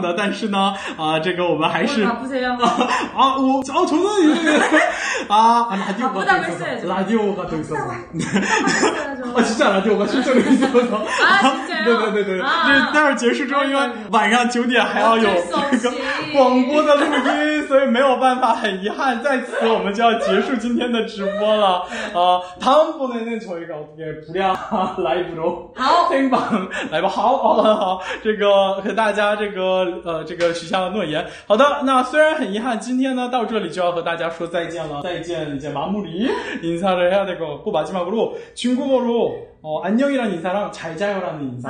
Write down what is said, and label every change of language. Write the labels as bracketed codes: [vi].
[zh] 其实要从现在开始再撑5个小时的话应该还是有希望的但是呢这个我们还是 [ko] 바쁘세요 저는 아 라디오가 또 있어서 라디오가 또 있어서 아 진짜 라디오가 실제로 있어서 아 진짜요? [zh] 네네네 待会结束之后因为晚上九点还要有这个广播的录音所以没有办法很遗憾在此我们就要结束今天的直播了啊 [ko] 다음번에는 저희가 어떻게 불량 라이브로 [zh] 생방来吧好这个和大家这个许下的诺言好的那虽然很遗憾今天呢到这里就要和大家说再见了再见 [ko] 이제마무리 인사를 해야 될 것 같고 마지막으로 중국어로 안녕이란 인사랑 잘 자요라는 인사